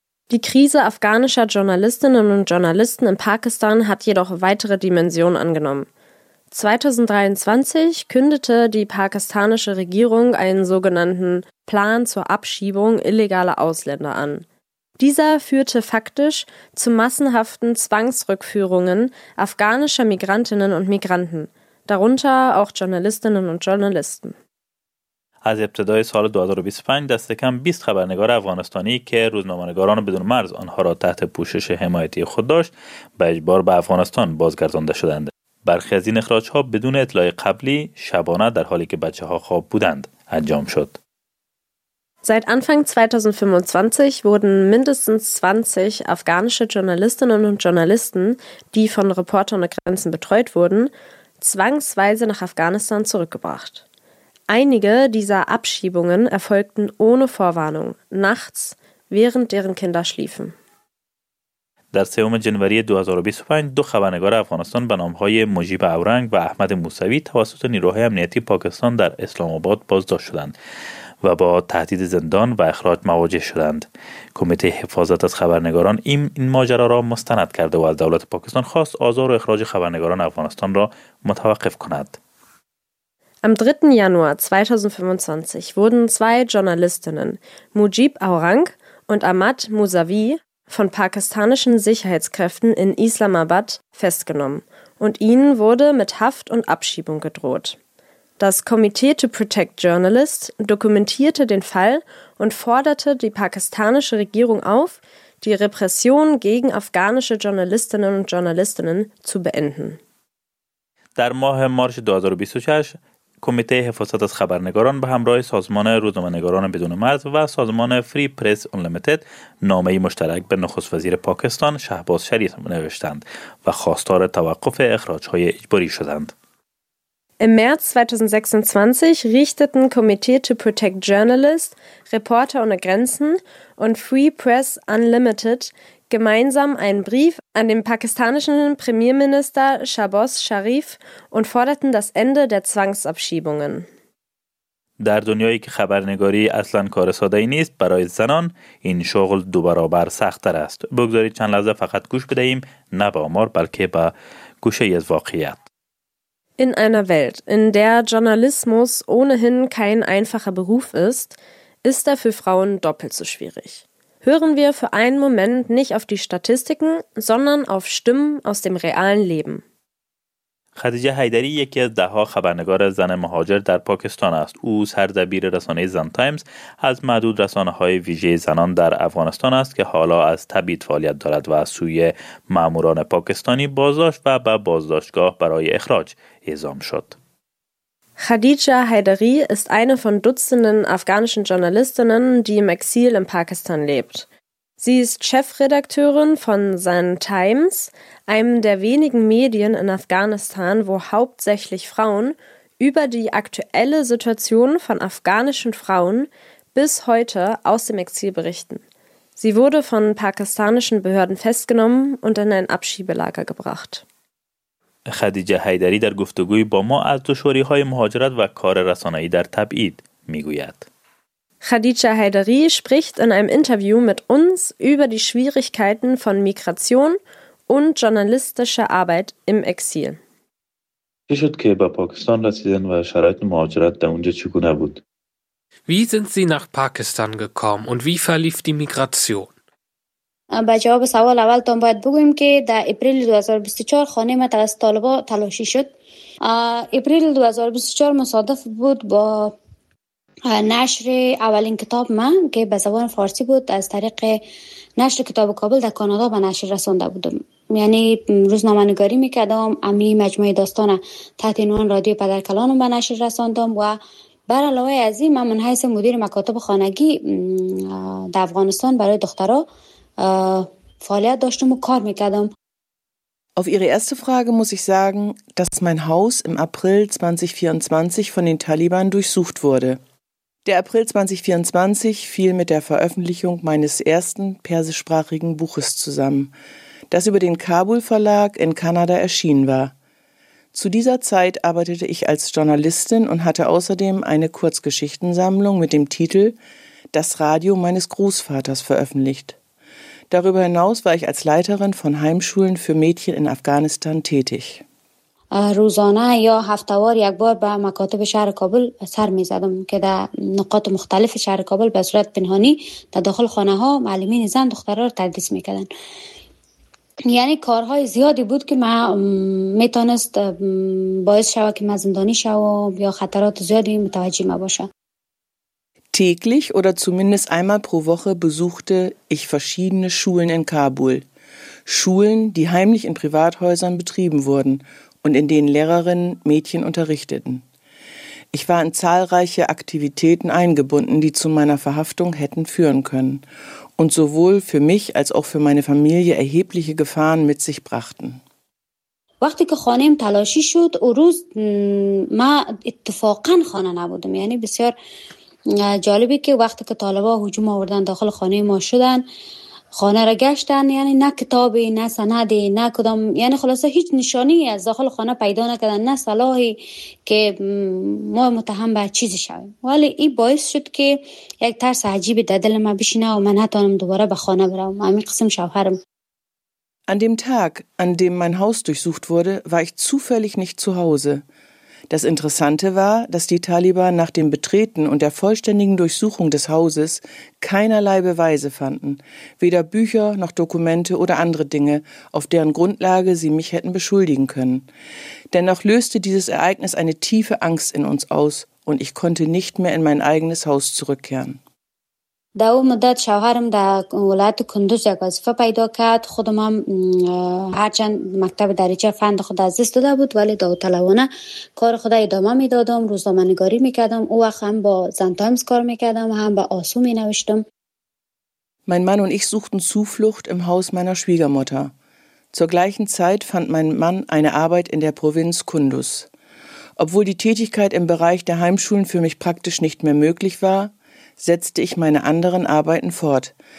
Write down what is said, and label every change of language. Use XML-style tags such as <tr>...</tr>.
<de>Die Krise afghanischer Journalistinnen und Journalisten in Pakistan hat jedoch weitere Dimensionen angenommen. 2023 kündete die pakistanische Regierung einen sogenannten Plan zur Abschiebung illegaler Ausländer an. Dieser führte faktisch zu massenhaften Zwangsrückführungen afghanischer Migrantinnen und Migranten, darunter auch Journalistinnen und Journalisten.</de> <fa>از ابتدای سال 2025 دست کم 20 خبرنگار افغانستانی که روزنامه‌نگاران بدون مرز آنها را تحت پوشش حمایتی خود داشت، به اجبار به افغانستان بازگردانده شدند. برخی از این اخراج ها بدون اطلاع قبلی شبانه در حالی که بچه ها خواب بودند انجام شد.</fa> <de>Seit Anfang 2025 wurden mindestens 20 afghanische Journalistinnen und Journalisten, die von Reporter ohne Grenzen betreut wurden, zwangsweise nach Afghanistan zurückgebracht. Einige dieser Abschiebungen erfolgten ohne Vorwarnung, nachts, während deren Kinder schliefen.</de> <fa>در 3 جنوری 2025 دو خبرنگار افغانستان به نام‌های مجیب اورنگ و احمد موسوی توسط نیروهای امنیتی پاکستان در اسلام آباد بازداشت شدند و با تهدید زندان و اخراج مواجه شدند. کمیته حفاظت از خبرنگاران این ماجرا را مستند کرده و از دولت پاکستان خواست آزار و اخراج خبرنگاران افغانستان را متوقف کند.</fa> <de>Am 3. Januar 2025 wurden zwei Journalistinnen, Mujib Aurang und Ahmad Mousavi, von pakistanischen Sicherheitskräften in Islamabad festgenommen und ihnen wurde mit Haft und Abschiebung gedroht. Das Committee to Protect Journalists dokumentierte den Fall und forderte die pakistanische Regierung auf, die Repression gegen afghanische Journalistinnen und Journalisten zu beenden.</de> <fa>در ماه مارس 2026 کمیته حفاظت از خبرنگاران به همراه سازمان روزنامه‌نگاران بدون مرز و سازمان فری پرس انلیمیتد نامه مشترک به نخست وزیر پاکستان شهباز شریف نوشتند و خواستار توقف اخراج‌های اجباری شدند.</fa> <de>Im März 2026 richteten Committee to Protect Journalists, Reporter ohne Grenzen und Free Press Unlimited gemeinsam einen Brief an den pakistanischen Premierminister Shahbaz Sharif und forderten das Ende der Zwangsabschiebungen.</de> <fa>در دنیایی که خبرنگاری اصلا کار ساده ای نیست، برای زنان این شغل دو برابر سخت‌تر است. بگذارید چند لحظه فقط گوش بدهیم، نه به آمار بلکه به گوشه از واقعیت.</fa> <de>In einer Welt, in der Journalismus ohnehin kein einfacher Beruf ist, ist er für Frauen doppelt so schwierig. Hören wir für einen Moment nicht auf die Statistiken, sondern auf Stimmen aus dem realen Leben.</de> <fa>خدیجه حیدری یکی از ده‌ها خبرنگار زن مهاجر در پاکستان است. او سردبیر رسانه زن تایمز از معدود رسانه‌های ویژه زنان در افغانستان است که حالا از تبعید فعالیت دارد و از سوی ماموران پاکستانی بازداشت و به بازداشتگاه برای اخراج اعزام شد.</fa> <de>خدیجه حیدری</de> <fa>است</fa> <de>eine von Dutzenden afghanischen Journalistinnen, die im Exil in Pakistan lebt. Sie ist Chefredakteurin von Sun Times, einem der wenigen Medien in Afghanistan, wo hauptsächlich Frauen über die aktuelle Situation von afghanischen Frauen bis heute aus dem Exil berichten. Sie wurde von pakistanischen Behörden festgenommen und in ein Abschiebelager gebracht.</de> <fa>خدیجه حیدری در گفتگوی با ما از دشواری‌های مهاجرت و کار رسانه‌ای در تبعید می‌گوید.</fa> <de>Khadija Haidari spricht in einem Interview mit uns über die Schwierigkeiten von Migration und journalistischer Arbeit im Exil. Wie sind Sie nach Pakistan gekommen und wie verlief die Migration?</de> <fa>به جواب سوال اولتون باید بگویم که در اپریل 2024 خانه ما توسط طالبان تلاشی شد. اپریل 2024 مصادف بود با نشر اولین کتاب ما که به زبان فارسی بود، از طریق نشر کتاب کابل در کانادا به نشر رسانده بودم. یعنی روزنامه نگاری میکردم، امی مجموعه داستان تحت عنوان رادیو پدرکلانم به نشر رساندم و بر علاوه از این من منحیث مدیر مکاتب خانگی در افغانستان برای دخترها فعالیت داشتم و کار میکردم.</fa> <de>Auf Ihre erste Frage muss ich sagen, dass mein Haus im April 2024 von den Taliban durchsucht wurde. Der April 2024 fiel mit der Veröffentlichung meines ersten persischsprachigen Buches zusammen, das über den Kabul Verlag in Kanada erschienen war. Zu dieser Zeit arbeitete ich als Journalistin und hatte außerdem eine Kurzgeschichtensammlung mit dem Titel »Das Radio meines Großvaters« veröffentlicht. Darüber hinaus war ich als Leiterin von Heimschulen für Mädchen in Afghanistan tätig.</de> <fa>روزانه یا هفتوار یک بار به مکاتب شهر کابل سر می زدم که در نقاط مختلف شهر کابل به صورت پنهانی در داخل خانه ها معلمین زن دخترها را تدریس می کردن. یعنی کارهای زیادی بود که من می تانست باعث شوه که من زندانی شوم یا خطرات زیادی متوجه ما باشه.</fa> <de>Täglich oder zumindest einmal pro Woche besuchte ich verschiedene Schulen in Kabul. Schulen, die heimlich in Privathäusern betrieben wurden und in denen Lehrerinnen Mädchen unterrichteten. Ich war in zahlreiche Aktivitäten eingebunden, die zu meiner Verhaftung hätten führen können und sowohl für mich als auch für meine Familie erhebliche Gefahren mit sich brachten.</de> <fa>وقتی که خانم تلاشی شد، اون روز ما اتفاقاً خانه نبودم. یعنی بسیار جالبی که وقتی که طالبا هجوم آوردن داخل خانه ما شدن، خانه را گشتن، یعنی نه کتابی، نه سندی، نه کدام، یعنی خلاصه هیچ نشانی از داخل خانه پیدا نکردن، نه سلاحی که ما متهم به چیزی شویم. ولی این باعث شد که یک ترس عجیبی در دل ما بشینه و من نتانم دوباره به خانه برم. همین قسم شوهرم.</fa> <de>An dem Tag, an dem mein Haus durchsucht wurde, war ich zufällig nicht zu Hause. Das Interessante war, dass die Taliban nach dem Betreten und der vollständigen Durchsuchung des Hauses keinerlei Beweise fanden. Weder Bücher noch Dokumente oder andere Dinge, auf deren Grundlage sie mich hätten beschuldigen können. Dennoch löste dieses Ereignis eine tiefe Angst in uns aus und ich konnte nicht mehr in mein eigenes Haus zurückkehren.</de> <fa>در اون مدت شوهرم در ولایت کندوز یک وظیفه پیدا کرد خودم هم هرچند مکتب دریچه فند خود از دست داده بود ولی داوطلبانه کار خود ادامه میدادم روزنامه‌نگاری میکردم او وقت هم با زن تایمز کار میکردم و هم با آسو مینوشتم</fa> <de>Mein Mann und ich suchten Zuflucht im Haus meiner Schwiegermutter. Zur gleichen Zeit fand mein Mann eine Arbeit in der Provinz Kunduz. Obwohl die Tätigkeit im Bereich der Heimschulen für mich praktisch nicht mehr möglich war, setzte ich meine anderen Arbeiten fort.</de>